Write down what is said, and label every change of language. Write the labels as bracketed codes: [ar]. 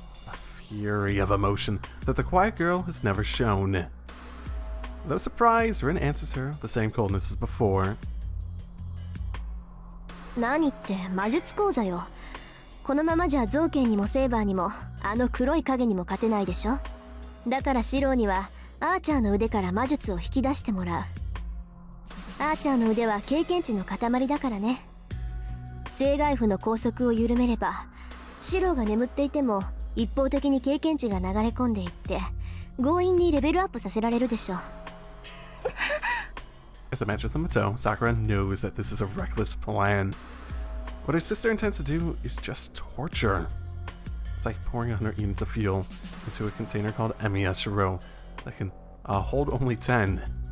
[en] A fury of emotion that the quiet girl has never shown. Though surprised, Rin answers her with the same coldness as before. [ja] 何って魔術講座よ。このままじゃ造形にもセーバーにも、あの黒い影にも勝てないでしょ。だからシローには、アーチャーの腕から魔術を引き出してもらう。アーチャーの腕は経験値の塊だからね。聖外府の拘束を緩めれば、シローが眠っていても一方的に経験値が流れ込んでいって、強引にレベルアップさせられるでしょう。 [en] As a match with Mato, Sakura knows that this is a reckless plan. What her sister intends to do is just torture. It's like pouring 100 units of fuel into a container called Emiya Shiro that can hold only 10.